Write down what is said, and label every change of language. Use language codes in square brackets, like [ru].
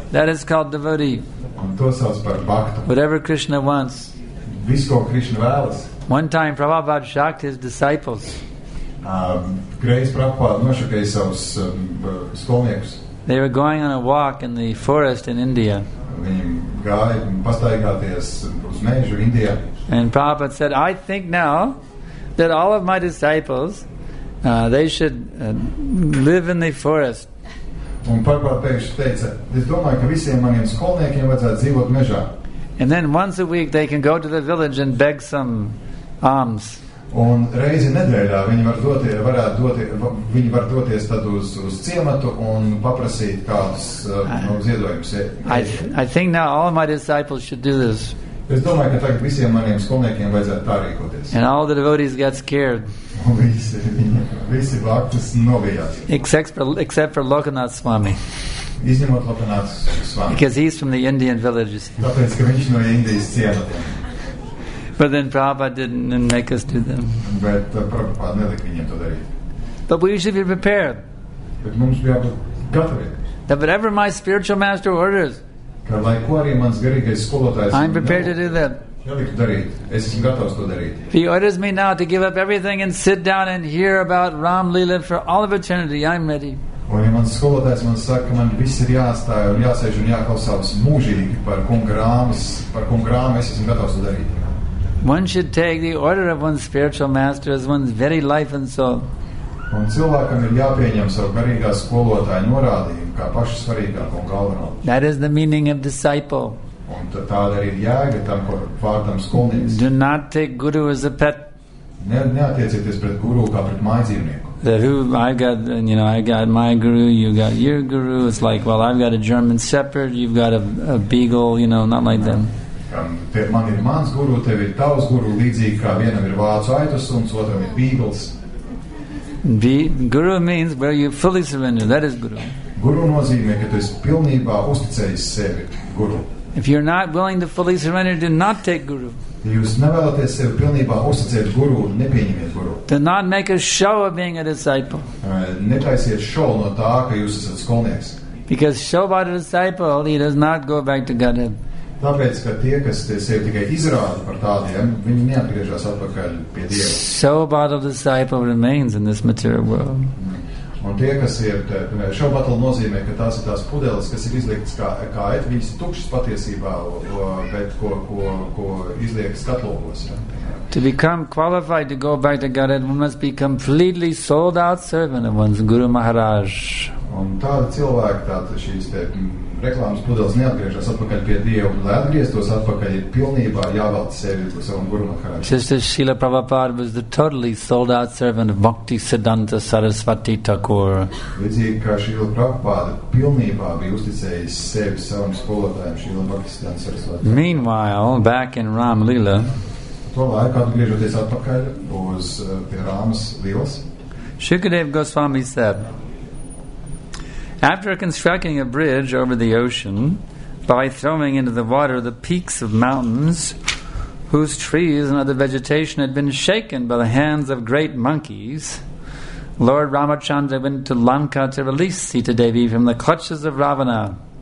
[en] That is called devotee. [lv] Un to sauc par bhaktu. [en] Whatever Krishna wants. [lv] Viss, ko Krishna vēlas. [en] One time Prabhupāda shocked his disciples. [lv] Grace Prabhupāda nošokēja savus skolniekus. [en] They were going on a walk in the forest in India. [lv] Viņi gāja pastaigāties uz mežu Indijā. [en] And Prabhupāda said, I think now that all of my disciples, they should live in the forest. [lv] Un Prabhupāda pēkšņi teica, es domāju, ka visiem maniem skolniekiem vajadzētu dzīvot mežā. [en] And then once a week they can go to the village and beg some alms. [lv] Un reizi nedēļā viņi var doties tad uz ciematu un paprasīt kādus ziedojumus. [en] I think now all my disciples should do this. [lv] Es domāju, ka tagad visiem maniem skolniekiem vajadzētu tā rīkoties. [en] And all the devotees got scared. [lv] Visi bhaktas novijās. [en] Except for Lokanāth Swami. [lv] Izņemot Lokanāth Swami. [en] Because he's from the Indian villages. [lv] Tāpēc, ka viņš no Indijas ciemata. [en] But then Prabhupāda didn't make us do them. [lv] Bet Prabhupāda nelika viņiem to darīt. [en] But we should be prepared. [lv] Bet mums jābūt gatavi. [en] That whatever my spiritual master orders, [lv] lai ko arī mans garīgais skolotājs [en] I'm prepared to do that. He orders me now to give up everything and sit down and hear about Ram Lila for all of eternity. I'm ready. One should take the order of one's spiritual master as one's very life and soul. [lv] Un cilvēkam ir jāpieņem savu garīgā skolotāja norādījumu kā pašu svarīgāko un galveno. [en] That is the meaning of disciple. [lv] Un tāda arī ir jēga tam, kur vārdam skolnieks. [en] Do not take guru as a pet. [lv] Neatiecieties pret guru kā pret mājdzīvnieku. [en] That who I got, you know, I got my guru, you got your guru. It's like, well, I've got a German shepherd, you've got a beagle, you know, not like them. [lv] Man ir mans guru, tev ir tavs guru, līdzīgi kā vienam ir vācu aitasuns, otram ir beagles. [en] Guru means where you fully surrender. That is guru. [lv] Guru nozīmē, ka tu esi pilnībā uzticējis sevi guru. [en] If you're not willing to fully surrender, do not take guru. [lv] Ja jūs nevēlaties sevi pilnībā uzticēt guru, nepieņemiet guru. [en] Do not make a show of being a disciple. [lv] Netaisiet show no tā, ka jūs esat skolnieks. [en] Because show about a disciple, he does not go back to Godhead. [lv] Tāpēc, ka tie, kas sevi tikai izrāda par tādiem, viņi neatgriežas atpakaļ pie Dieva. [en] Show battle disciple remains in this material world. [lv] Un tie, kas ir, [en] show battle [lv] nozīmē, ka tās ir tās pudeles, kas ir izliktas kā et, viņas ir tukšas patiesībā, bet ko izliek skatlogos. [en] To become qualified to go back to Godhead, one must be completely sold out servant of one's Guru Maharaj. [lv] Un tāda cilvēka, tāda šīs reklāmas pudeles neatgriežas atpakaļ pie Dievu, lai atgrieztos atpakaļ ir pilnībā jāvelta sevi uz savam Guru Maharaj. [en] Sister Srila Prabhupada was the totally sold out servant of Bhakti Siddhanta Sarasvati Thakur. [lv] Līdzīgi kā Srila Prabhupada pilnībā bija uzticējis sevi savam skolotājam Srila Bhakti Siddhanta Sarasvati. [en] Meanwhile, back in Ram Lila, Shukadev Goswami said, after constructing a bridge over the ocean by throwing into the water the peaks of mountains whose trees and other vegetation had been shaken by the hands of great monkeys, Lord Ramachandra went to Lanka to release Sita Devi from the clutches of Ravana.